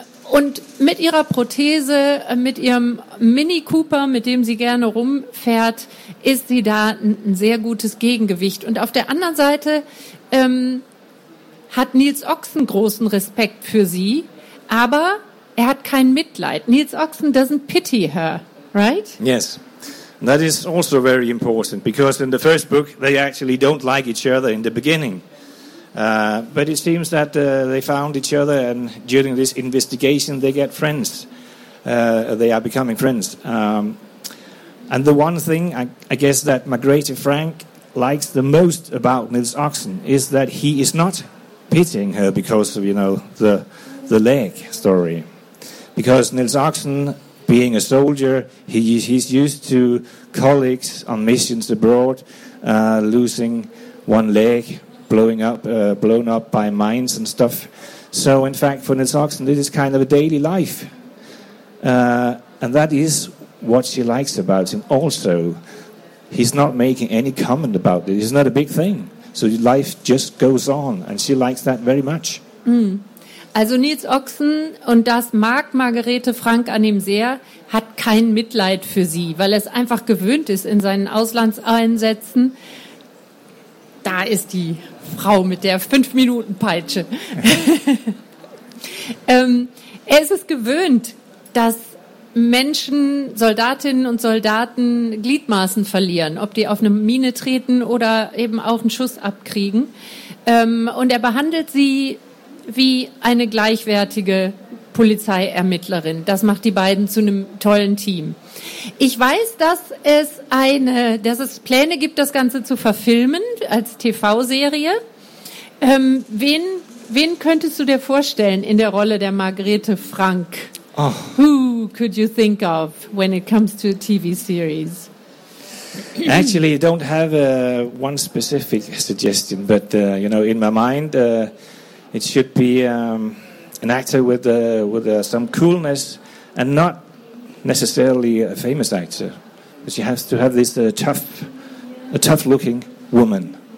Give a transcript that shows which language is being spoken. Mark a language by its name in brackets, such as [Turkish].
[German] Und mit ihrer Prothese, mit ihrem Mini Cooper, mit dem sie gerne rumfährt, ist sie da ein sehr gutes Gegengewicht. Und auf der anderen Seite hat Nils Ochsen großen Respekt für sie, aber er hat kein Mitleid. [English] Nils Ochsen doesn't pity her, right? Yes, that is also very important, because in the first book they actually don't like each other in the beginning. But it seems that they found each other, and during this investigation they get friends. They are becoming friends. And the one thing I guess that Margrethe Franck likes the most about Nils Ochsen is that he is not pitying her because of, you know, the leg story. Because Nils Ochsen, being a soldier, he's used to colleagues on missions abroad losing one leg, blown up by mines and stuff. So in fact, for Nils Ochsen, this is kind of a daily life. And that is what she likes about him. Also, he's not making any comment about it. It's not a big thing. So life just goes on, and she likes that very much. Mm. [German] Also Nils Ochsen, und das mag Margrethe Franck an ihm sehr, hat kein Mitleid für sie, weil er es einfach gewöhnt ist in seinen Auslandseinsätzen. Da ist die Frau mit der 5-Minuten-Peitsche. er ist es gewöhnt, dass Menschen, Soldatinnen und Soldaten, Gliedmaßen verlieren, ob die auf eine Mine treten oder eben auch einen Schuss abkriegen. Und er behandelt sie wie eine gleichwertige Polizeiermittlerin. Das macht die beiden zu einem tollen Team. Ich weiß, dass es Pläne gibt, das Ganze zu verfilmen als TV-Serie. Wen könntest du dir vorstellen in der Rolle der Margrethe Franck? Oh. [English] Who could you think of when it comes to a TV series? Actually, I don't have one specific suggestion, but you know, in my mind, it should be an actor with some coolness, and not necessarily a famous actor, but she has to have this tough-looking woman,